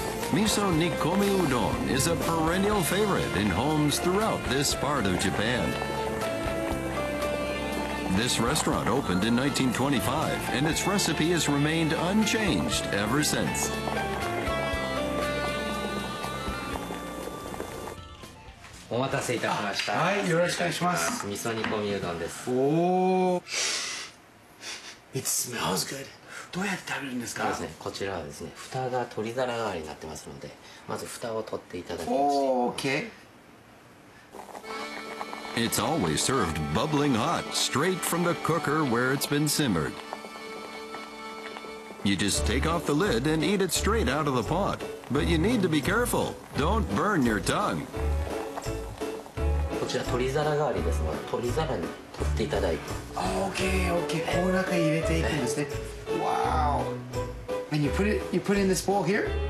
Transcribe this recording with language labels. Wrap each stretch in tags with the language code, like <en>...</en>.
<en>Miso Nikomi Udon is a perennial favorite in homes throughout this part of Japan. This restaurant opened in 1925 and its recipe has remained unchanged ever since.</en> <ja>お待たせいたしました。はい、よろしくお願いします。味噌煮込みうどんです。おお。</ja> <en>It smells good.</en> <ja>どうやって食べるんですか。そうですね、こちらはですね、蓋が取り皿代わりになってますので、まず蓋を取っていただきます。おー、OK。</ja> <en>It's always served bubbling hot straight from the cooker where it's been simmered. You just take off the lid and eat it straight out of the pot. But you need to be careful. Don't burn your tongue.</en> <ja>こちら取り皿代わりですので、取り皿に取っていただいて、あ、OK、OK、この中に入れていくんですね。</ja> <en>Wow. And you put in this bowl here?</en>